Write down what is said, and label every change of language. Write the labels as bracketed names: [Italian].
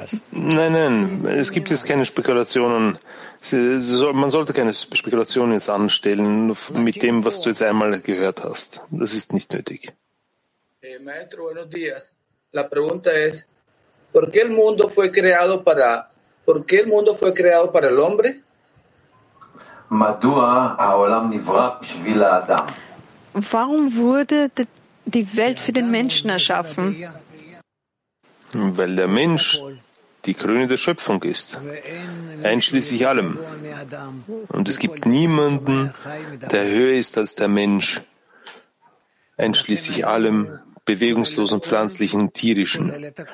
[German] Nein, nein, es gibt jetzt keine Spekulationen. Man sollte keine Spekulationen jetzt anstellen mit dem, was du jetzt einmal gehört hast. Das ist nicht nötig. [Spanish] Maestro, buenos días. La pregunta es, ¿por qué el mundo fue creado para, por qué el mundo fue creado para el hombre? [Hebrew] Madua, haolam nivra bishvil ha'adam. [German] Warum wurde die Welt für den Menschen erschaffen? Weil der Mensch die Krone der Schöpfung ist, einschließlich allem. Und es gibt niemanden, der höher ist als der Mensch, einschließlich allem bewegungslosen, pflanzlichen, tierischen.